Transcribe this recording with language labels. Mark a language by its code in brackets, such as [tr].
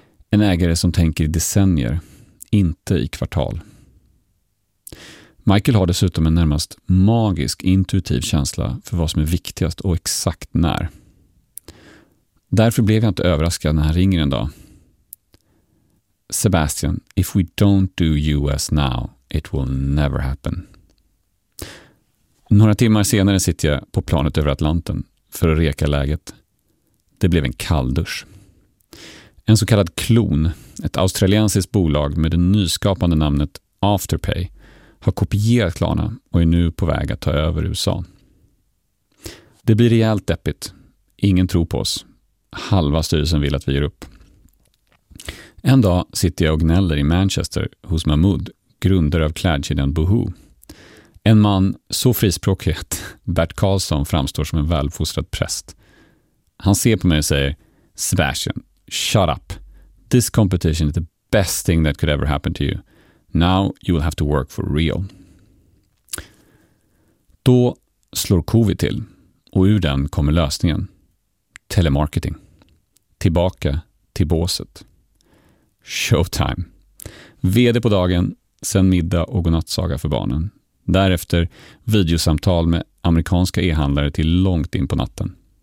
[sv] En ägare som tänker i decennier, inte i kvartal. Michael har dessutom en närmast magisk, intuitiv känsla för vad som är viktigast och exakt när. Därför blev jag inte överraskad när han ringer en dag. [en] Sebastian, if we don't do US now, it will never happen. [sv] Några timmar senare sitter jag på planet över Atlanten för att reka läget. Det blev en kalldusch. En så kallad klon, ett australiensiskt bolag med det nyskapande namnet Afterpay, har kopierat Klarna och är nu på väg att ta över USA. Det blir rejält deppigt. Ingen tror på oss. Halva styrelsen vill att vi ger upp. En dag sitter jag och gnäller i Manchester hos Mahmoud, grundare av klädkedjan Boohoo. En man så frispråkig att Bert Karlsson framstår som en välfostrad präst. Han ser på mig och säger: Sebastian, [en] shut up. This competition is the best thing that could ever happen to you. Now you will have to work for real. [sv] Då slår covid till och ur den kommer lösningen. Telemarketing. Tillbaka till båset. Showtime. VD på dagen, sen middag och godnattsaga för barnen. Därefter videosamtal med amerikanska e-handlare till långt in på natten.